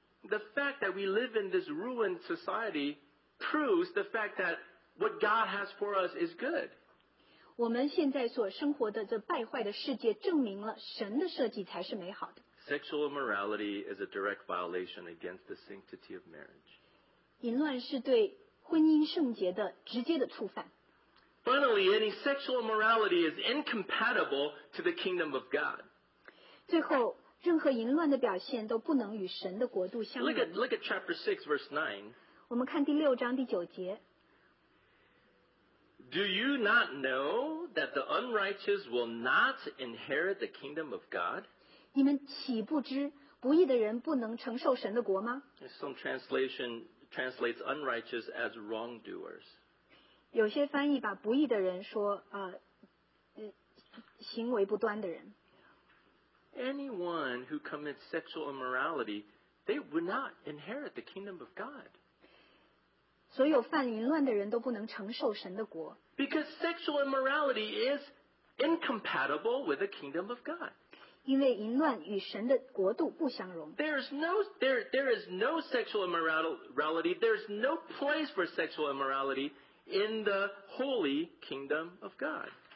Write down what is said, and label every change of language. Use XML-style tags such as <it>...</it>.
<en>The fact that we live in this ruined society proves the fact that what God has for us is good.</en> <zh>我们现在所生活的这败坏的世界证明了神的设计才是美好的。</zh> <en>Sexual immorality is a direct violation against the sanctity of marriage.</en> <zh>淫乱是对婚姻圣洁的直接的触犯。</zh> <en>Finally, any sexual immorality is incompatible to the kingdom of God.</en> <zh>最后, 任何淫乱的表现都不能与神的国度相容。</zh> <en>Look at chapter 6, verse 9.</en> <zh>我们看第六章第九节。</zh> <en>Do you not know that the unrighteous will not inherit the kingdom of God?</en> <zh>你们岂不知不义的人不能承受神的国吗？</zh> <en>Some translation translates unrighteous as wrongdoers.</en> <zh>有些翻译把不义的人说, 行为不端的人。</zh> <en>Anyone who commits sexual immorality, they would not inherit the kingdom of God.</en> <zh>所有犯淫乱的人都不能承受神的国。</zh> <en>Because sexual immorality is incompatible with the kingdom of God. There is no sexual immorality, there is no place for sexual immorality in the holy kingdom of God.</en>